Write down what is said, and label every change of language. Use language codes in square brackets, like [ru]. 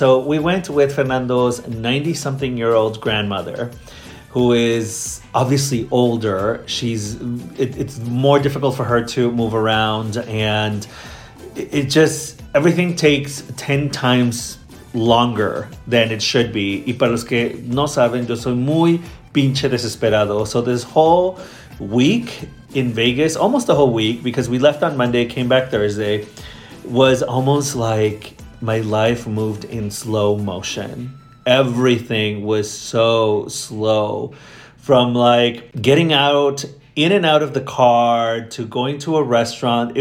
[en] So we went with Fernando's 90-something-year-old grandmother, who is obviously older. It's more difficult for her to move around, and it just, everything takes 10 times longer than it should be. [es] Y para los que no saben, yo soy muy pinche desesperado. [en] So this whole week in Vegas, almost the whole week, because we left on Monday, came back Thursday, was almost like my life moved in slow motion. Everything was so slow, from like getting out, in and out of the car, to going to a restaurant.